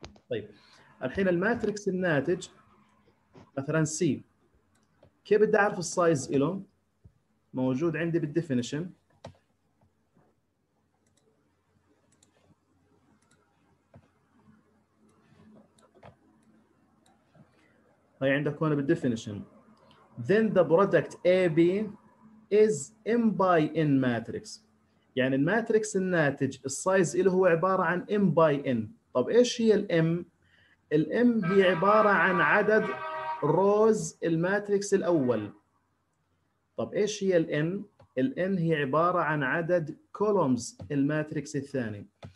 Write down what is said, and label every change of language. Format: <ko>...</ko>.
<ar>طيب الحين الماتريكس الناتج مثلا سي، كيف بدي أعرف السايز إله؟ موجود عندي بالديفينيشن. هاي عندك هون بالديفينيشن.</ar> <en>Then the product AB is M by N matrix.</en> <ar>يعني الماتريكس الناتج السايز إله هو عبارة عن M by N. طب إيش هي الM؟ الM هي عبارة عن عدد روز الماتريكس الأول. طب إيش هي الN؟ الN هي عبارة عن عدد كولومز الماتريكس الثاني.</ar>